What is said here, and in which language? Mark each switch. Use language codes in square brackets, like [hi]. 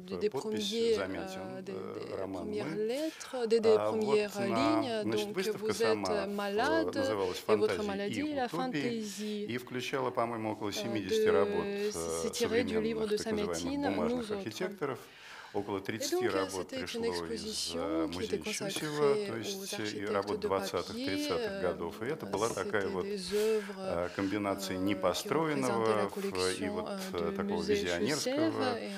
[fr] des premières lettres, des premières lignes, [ru] значит, [fr] donc vous êtes malade, et votre maladie, la fantaisie, [ru] и включала, по-моему, около 70 работ, [fr] c'est tiré du livre de Samétine, «Nous autres». [ru] Около 30 работ пришло из музея Щусева, то есть работ 20-30-х годов. И это была такая вот комбинация непостроенного и вот такого визионерского,